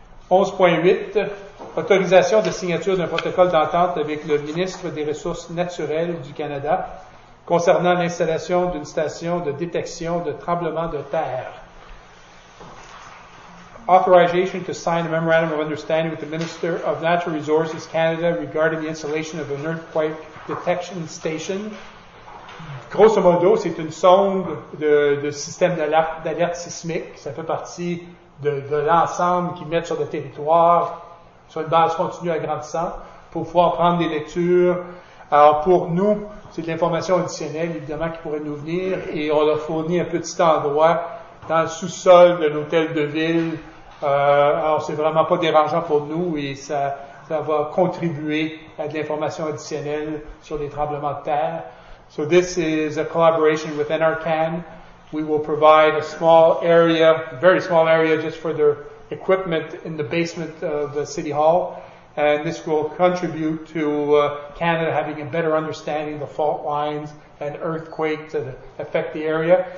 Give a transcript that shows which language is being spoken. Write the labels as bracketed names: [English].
[French] 11.8, autorisation de signature d'un protocole d'entente avec le ministre des Ressources naturelles du Canada concernant l'installation d'une station de détection de tremblements de terre. [English] Authorization to sign a memorandum of understanding with the Minister of Natural Resources Canada regarding the installation of an earthquake detection station. [French] Grosso modo, c'est une sonde de système d'alerte sismique. Ça fait partie de l'ensemble qu'ils mettent sur le territoire, sur une base continue agrandissant, pour pouvoir prendre des lectures. Alors, pour nous, c'est de l'information additionnelle, évidemment, qui pourrait nous venir, et on leur fournit un petit endroit dans le sous-sol de l'hôtel de ville. Alors, c'est vraiment pas dérangeant pour nous, et ça va contribuer à de l'information additionnelle sur les tremblements de terre. [English] So, this is a collaboration with NRCan. We will provide a small area, very small area, just for their equipment in the basement of the City Hall. And this will contribute to Canada having a better understanding of the fault lines and earthquakes that affect the area.